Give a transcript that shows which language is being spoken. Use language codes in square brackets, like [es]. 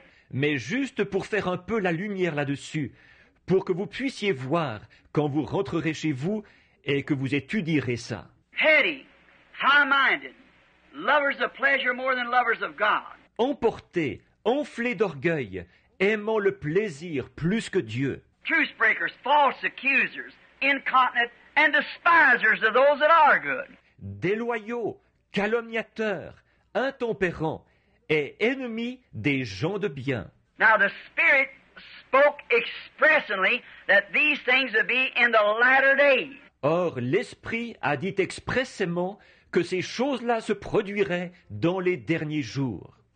[fr] Mais juste pour faire un peu la lumière là-dessus, pour que vous puissiez voir quand vous rentrerez chez vous et que vous étudierez ça. [en] Heady, high-minded, lovers of pleasure more than lovers of God. [fr] Emporté, enflé d'orgueil, aimant le plaisir plus que Dieu. [en] Truth-breakers, false accusers, incontinent, and despisers of those that are good. [fr] Déloyaux, calomniateurs, intempérants, et ennemis des gens de bien. [en] Now the Spirit spoke expressly that these things would be in the latter days. [fr] Or, l'Esprit a dit expressément que ces choses-là se produiraient dans les derniers jours.